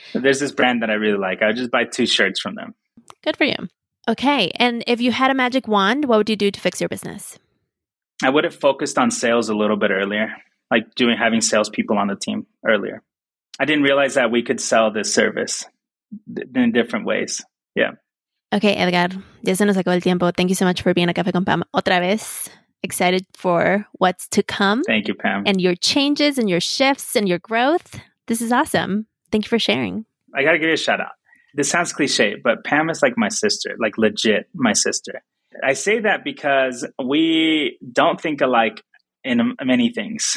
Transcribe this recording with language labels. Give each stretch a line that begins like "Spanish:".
English: There's this brand that I really like. I just buy two shirts from them. Good for you. Okay. And if you had a magic wand, what would you do to fix your business? I would have focused on sales a little bit earlier, like doing having salespeople on the team earlier. I didn't realize that we could sell this service in different ways. Yeah.
Spanish: Okay, Edgar, ya se nos acabó el tiempo.
English: Thank you so much for being a Café con Pam
Spanish: otra vez.
English: Excited for what's to come. Thank you, Pam. And your changes and your shifts and your growth. This is awesome. Thank you for sharing. I got to give you a shout out. This sounds cliche, but Pam is like my sister, like legit my sister. I say that because we don't think alike in many things.